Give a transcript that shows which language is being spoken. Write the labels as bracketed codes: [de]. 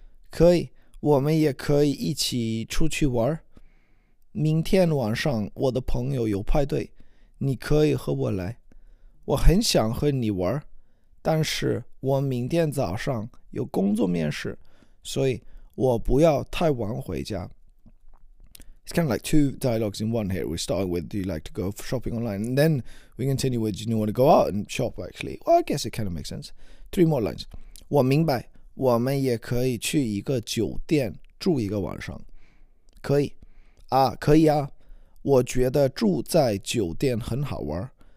[zh] 可以，我们也可以一起出去玩。明天晚上我的朋友有派对，你可以和我来。我很想和你玩，但是我明天早上有工作面试，所以我不要太晚回家。 [en] It's kind of like two dialogues in one here. We start with, do you like to go shopping online? And then we continue with, do you want to go out and shop actually? Well, I guess it kind of makes sense. Three more lines. [zh] 我明白，我们也可以去一个酒店住一个晚上。可以。啊，可以啊。我觉得住在酒店很好玩。